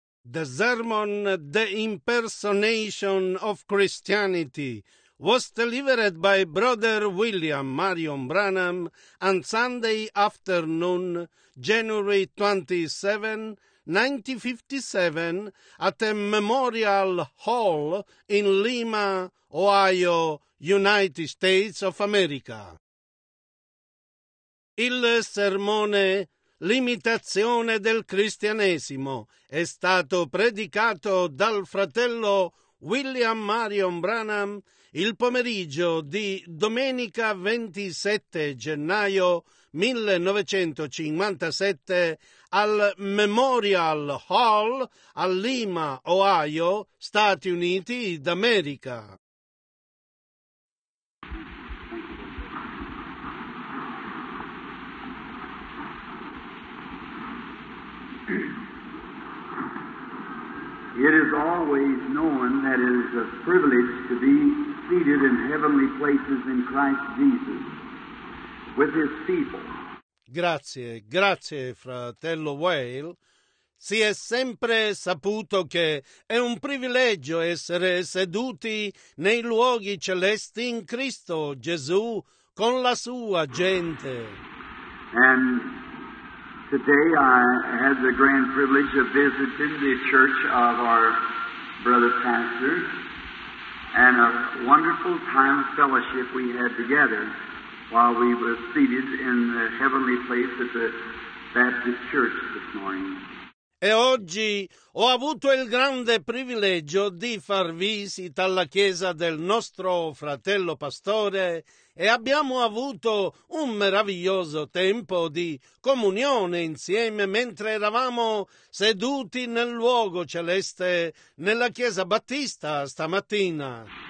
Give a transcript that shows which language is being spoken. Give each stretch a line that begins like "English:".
English: The sermon, The Impersonation of Christianity, was delivered by Brother William Marion Branham on Sunday afternoon, January 27, 1957, at a Memorial Hall in Lima, Ohio, United States of America.
Italian: Il sermone L'imitazione del cristianesimo è stato predicato dal fratello William Marion Branham il pomeriggio di domenica 27 gennaio 1957 al Memorial Hall a Lima, Ohio, Stati Uniti d'America.
English: It is always known that it is a privilege to be seated in heavenly places in Christ Jesus with his people.
Italian: Grazie, grazie fratello Whale. Si è sempre saputo che è un privilegio essere seduti nei luoghi celesti in Cristo Gesù con la sua gente.
English: And today I had the grand privilege of visiting the church of our brother pastor and a wonderful time of fellowship we had together while we were seated in the heavenly place at the Baptist church this morning.
Italian: E oggi ho avuto il grande privilegio di far visita alla chiesa del nostro fratello pastore e abbiamo avuto un meraviglioso tempo di comunione insieme mentre eravamo seduti nel luogo celeste nella chiesa battista stamattina.